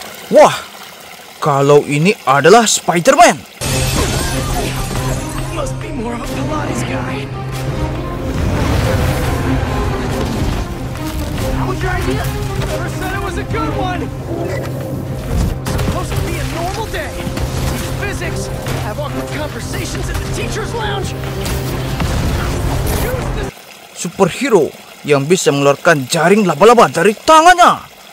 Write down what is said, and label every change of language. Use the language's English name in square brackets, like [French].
[Indonesian] Wah, kalau ini adalah Spider-Man. [English] Must be more of the Pilates guy. That was your idea? Never said it was a good one. Supposed to be a normal day. Physics. Have awkward conversations at the teacher's lounge. [Indonesian] Superhero yang bisa mengeluarkan jaring laba-laba dari tangannya.